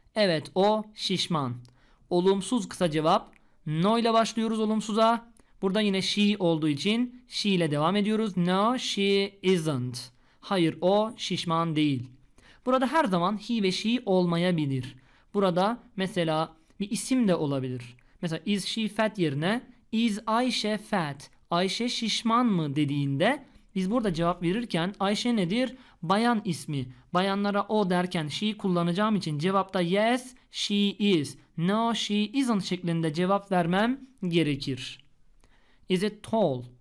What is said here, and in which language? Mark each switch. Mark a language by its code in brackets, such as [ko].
[tr] Evet, o şişman. Olumsuz kısa cevap. No ile başlıyoruz olumsuza. Burada yine she olduğu için she ile devam ediyoruz. [en] No, she isn't. [tr] Hayır, o şişman değil. Burada her zaman he ve she olmayabilir. Burada mesela bir isim de olabilir. [en] Mesela is she fat yerine is Ayşe fat? [tr] Ayşe şişman mı dediğinde biz burada cevap verirken Ayşe nedir? Bayan ismi. Bayanlara o derken she kullanacağım için cevapta [en] yes she is. No she isn't [tr] şeklinde cevap vermem gerekir. [en] Is it tall?